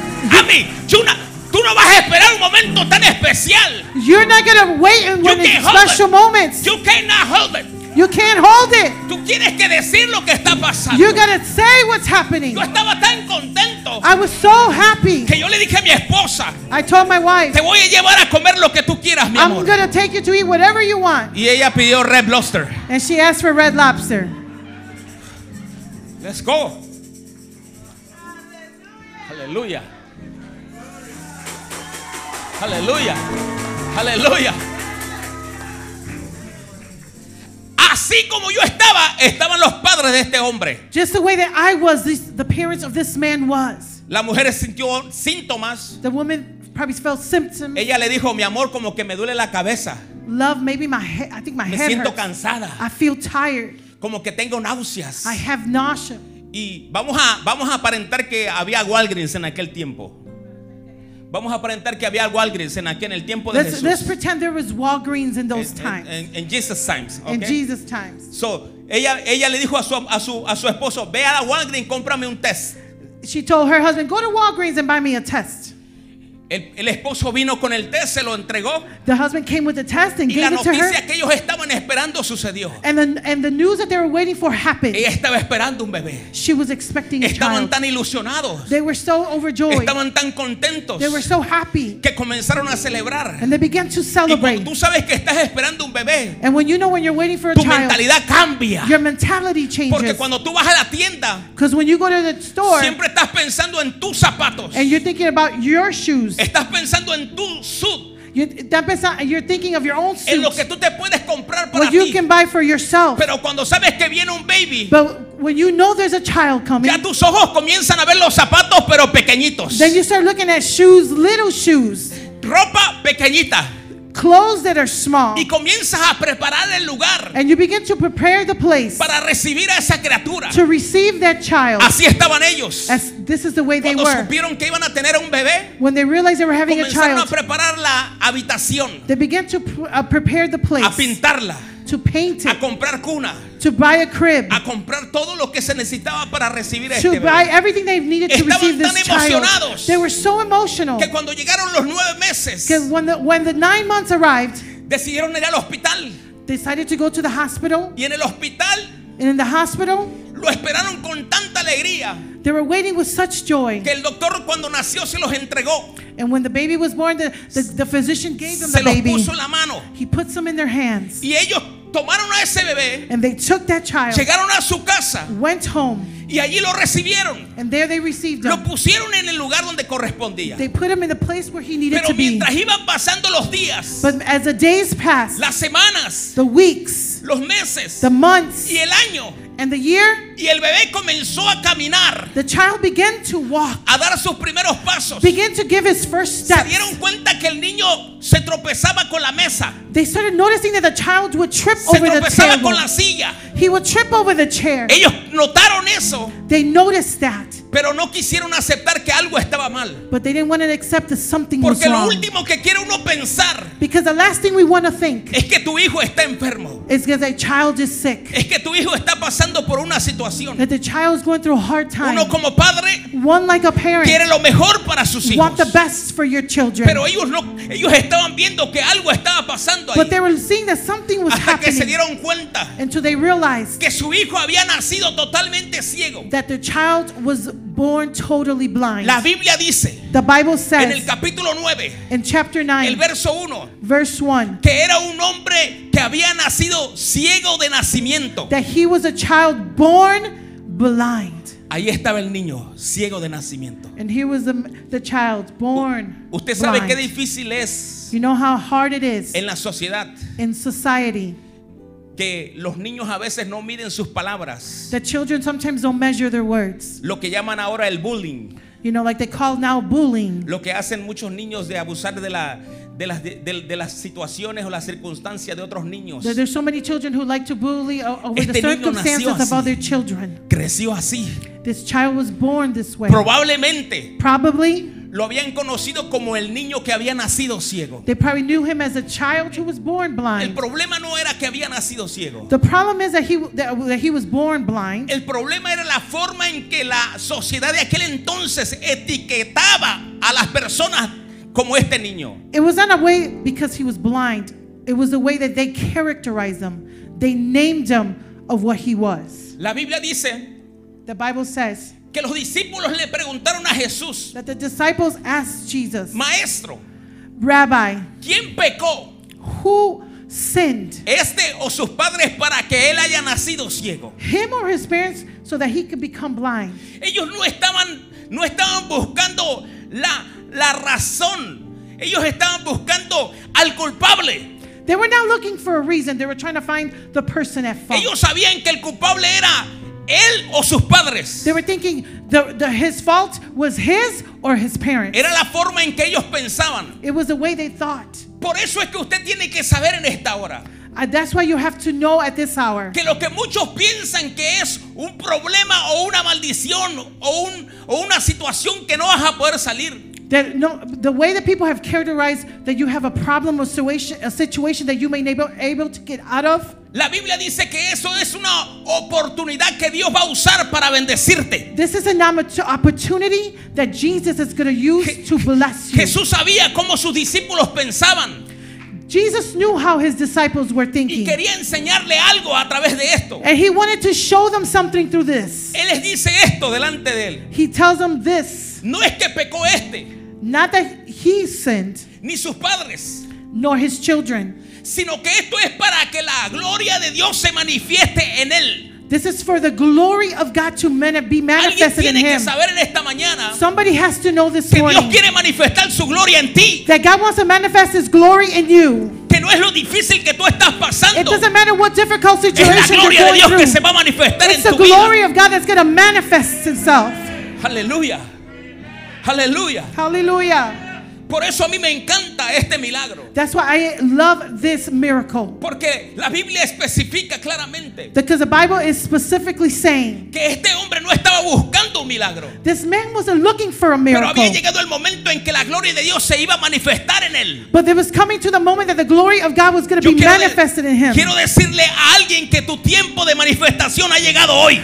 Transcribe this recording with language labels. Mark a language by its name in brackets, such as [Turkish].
[Spanish] Mami, tú no vas a esperar un momento tan especial. [English] You're not going to wait in one of these special moments. You cannot hold it. You can't hold it. [Spanish] Tú tienes que decir lo que está pasando. [English] You got to say what's happening. [Spanish] Yo estaba tan contento. [English] I was so happy. [Spanish] Que yo le dije a mi esposa. [English] I told my wife. [Spanish] Te voy a llevar a comer lo que tú quieras, mi amor. [English] I'm going to take you to eat whatever you want. [Spanish] Y ella pidió red lobster. [English] And she asked for red lobster. Let's go. Hallelujah. Hallelujah. Hallelujah. [Spanish] Así como yo estaba, estaban los padres de este hombre. [English] Just the way that I was, the parents of this man was. [Spanish] La mujer sintió síntomas. [English] The woman probably felt symptoms. [Spanish] Ella le dijo, mi amor, como que me duele la cabeza. [English] Love, maybe my head, I think my head hurts. [Spanish] Me siento cansada. [English] I feel tired. [Spanish] Como que tengo náuseas. [English] I have nausea. [Spanish] Y vamos a aparentar que había Walgreens en aquel tiempo. Vamos a aparentar que había Walgreens en aquí en el tiempo de [English] let's, [Spanish] Jesús. [English] Let's pretend there was Walgreens in those times. In Jesus times. Okay? In Jesus times. [Spanish] So ella le dijo a su esposo, ve a Walgreens, cómprame un test. [English] She told her husband, go to Walgreens and buy me a test. [Spanish] El esposo vino con el test, se lo entregó. [English] The husband came with the test and gave it to her. [Spanish] Y la noticia que ellos estaban esperando sucedió. [English] And the news that they were waiting for happened. [Spanish] Ella estaba esperando un bebé. [English] She was expecting [Spanish] estaban [English] a child. [Spanish] Estaban tan ilusionados. [English] They were so overjoyed. [Spanish] Estaban tan contentos. [English] They were so happy. [Spanish] Que comenzaron a celebrar. [English] And they began to celebrate. [Spanish] Y cuando tú sabes que estás esperando un bebé, [English] and when you know when you're waiting for a [Spanish] child, tu mentalidad cambia. [English] Your mentality changes. [Spanish] Porque cuando tú vas a la tienda, [English] because when you go to the store, [Spanish] siempre estás pensando en tus zapatos. [English] And you're thinking about your shoes. [Spanish] Estás pensando en tu suit. [English] You're thinking of your own suit. [Spanish] En lo que tú te puedes comprar para [English] what you [Spanish] ti. [English] Can buy for yourself. [Spanish] Pero cuando sabes que viene un baby, [English] but when you know there's a child coming, [Spanish] ya tus ojos comienzan a ver los zapatos pero pequeñitos. [English] Then you start looking at shoes, little shoes. [Spanish] Ropa pequeñita. [English] Clothes that are small. [Spanish] Y comienzas a preparar el lugar. [English] And you begin to prepare the place. [Spanish] Para recibir a esa criatura. [English] To receive that child. [Spanish] Así estaban ellos. [English] As this is the way [Spanish] cuando [English] they were. [Spanish] Cuando supieron que iban a tener un bebé. [English] When they realized they were having a child. [Spanish] Comenzaron a preparar la habitación. [English] They began to prepare the place. [Spanish] A pintarla. [English] To paint it. [Spanish] A comprar cuna. [English] To buy a crib. [Spanish] A comprar todo lo que se necesitaba para recibir a este bebé. [English] To buy everything they needed [Spanish] estaban [English] to receive [Spanish] tan [English] this [Spanish] emocionados [English] child. They were so emotional. [Spanish] Que cuando llegaron los 9 meses. [English] Because when the 9 months arrived. [Spanish] Decidieron ir al hospital. [English] Decided to go to the hospital. [Spanish] Y en el hospital. [English] And in the hospital. [Spanish] Lo esperaron con tanta alegría. [English] They were waiting with such joy. [Spanish] Que el doctor cuando nació se los entregó. [English] And when the baby was born, the physician gave them [Spanish] se [English] the baby. [Spanish] Se los puso en la mano. [English] He puts them in their hands. [Spanish] Y ellos tomaron a ese bebé. [English] And they took that child. [Spanish] Llegaron a su casa. [English] Went home. [Spanish] Y allí lo recibieron. [English] And there they received him. [Spanish] Lo pusieron en el lugar donde correspondía. [English] They put him in the place where he needed to be. [Spanish] Pero mientras iban pasando los días. [English] But as the days passed. [Spanish] Las semanas. [English] The weeks. [Spanish] Los meses. [English] The months. [Spanish] Y el año. [English] And the year. [Spanish] Y el bebé comenzó a caminar. [English] The child began to walk. [Spanish] A dar sus primeros pasos. [English] Began to give his first steps. [Spanish] Se dieron cuenta que el niño se tropezaba con la mesa. [English] They started noticing that the child would trip [Spanish] se [English] over the table. [Spanish] Se tropezaba con la silla. [English] He would trip over the chair. [Spanish] Ellos notaron eso. [English] They noticed that. [Spanish] Pero no quisieron aceptar que algo estaba mal. [English] But they didn't want to accept that something [Spanish] porque [English] was wrong. [Spanish] Porque lo último que quiere uno pensar. [English] Because the last thing we want to think. [Spanish] Es que tu hijo está enfermo. [English] It's because that child is sick. [Spanish] Es que tu hijo está pasando por una situación. [English] That the child is going through a hard time. [Spanish] Uno como padre, [English] one like a parent, [Spanish] quiere lo mejor para sus hijos. [English] Want the best for your children. [Spanish] Pero ellos estaban viendo que algo estaba pasando ahí. [English] But they were seeing that something was [Spanish] hasta [English] happening. [Spanish] Hasta que se dieron cuenta. [English] Until they realized [Spanish] que su hijo había nacido totalmente ciego. [English] That their child was born totally blind. [Spanish] La Biblia dice, [English] the Bible says, [Spanish] en el capítulo 9, [English] in chapter 9, [Spanish] el verso 1, [English] verse 1, [Spanish] que era un hombre que había nacido ciego de nacimiento. [English] That he was a child born blind. [Spanish] Ahí estaba el niño, ciego de nacimiento. [English] And he was the child born blind. [Spanish] Usted sabe qué difícil es. [English] You know how hard it is. [Spanish] En la sociedad. [English] In society. [Spanish] Que los niños a veces no miden sus palabras. [English] The children sometimes don't measure their words. [Spanish] Lo que llaman ahora el bullying. [English] You know, like they call now bullying. [Spanish] Lo que hacen muchos niños de abusar de las situaciones o las circunstancias de otros niños. [English] There's so many children who like to bully over [Spanish] este [English] the circumstances of other children. [Spanish] Creció así. [English] This child was born this way. [Spanish] Probablemente. [English] Probably. [Spanish] Lo habían conocido como el niño que había nacido ciego. [English] They probably knew him as a child who was born blind. [Spanish] El problema no era que había nacido ciego. [English] The problem is that he was born blind. [Spanish] El problema era la forma en que la sociedad de aquel entonces etiquetaba a las personas como este niño. [English] It was not a way because he was blind. It was the way that they characterized him. They named him of what he was. [Spanish] La Biblia dice. [English] The Bible says. [Spanish] Que los discípulos le preguntaron a Jesús. [English] That the disciples asked Jesus. [Spanish] Maestro. [English] Rabbi. [Spanish] ¿Quién pecó? [English] Who sinned? [Spanish] ¿Este o sus padres para que él haya nacido ciego? [English] Him or his parents so that he could become blind. [Spanish] Ellos no estaban buscando la razón. Ellos estaban buscando al culpable. [English] They were not looking for a reason. They were trying to find the person at fault. [Spanish] Ellos sabían que el culpable era él o sus padres. [English] They were thinking his fault was his or his parents. [Spanish] Era la forma en que ellos pensaban. [English] It was the way they thought. [Spanish] Por eso es que usted tiene que saber en esta hora. [English] That's why you have to know at this hour. [Spanish] Que lo que muchos piensan que es un problema o una maldición o una situación que no vas a poder salir. [English] That no, the way that people have characterized that you have a problem or a situation that you may never able to get out of. [Spanish] La Biblia dice que eso es una oportunidad que Dios va a usar para bendecirte. [English] This is an opportunity that Jesus is going to use to bless you. [Spanish] Jesús sabía cómo sus discípulos pensaban. [English] Jesus knew how his disciples were thinking. [Spanish] Y quería enseñarle algo a través de esto. [English] And he wanted to show them something through this. [Spanish] Él les dice esto delante de él. [English] He tells them this. [Spanish] No es que pecó este. [English] Not that he sinned. [Spanish] Ni sus padres. [English] Nor his children. [Spanish] Sino que esto es para que la gloria de Dios se manifieste en él. [English] This is for the glory of God to be manifested in him. [Spanish] Saber en esta mañana. [English] Somebody has to know this [Spanish] que [English] morning. [Spanish] Dios quiere manifestar su gloria en ti. [English] That God wants to manifest his glory in you. [Spanish] Que no es lo difícil que tú estás pasando. [English] It doesn't matter what difficult situation you're going through. [Spanish] Es la gloria de Dios que se va a manifestar en tu vida. [English] It's the glory of God that's going to manifest itself. Hallelujah. Hallelujah. Hallelujah. [Spanish] Por eso a mí me encanta este milagro. [English] That's why I love this miracle. [Spanish] Porque la Biblia especifica claramente. [English] Because the Bible is specifically saying. [Spanish] Que este hombre no estaba buscando un milagro. [English] This man wasn't looking for a miracle. [Spanish] Pero había llegado el momento en que la gloria de Dios se iba a manifestar en él. [English] But there was coming to the moment that the glory of God was going to be manifested in him. [Spanish] Quiero decirle a alguien que tu tiempo de manifestación ha llegado hoy.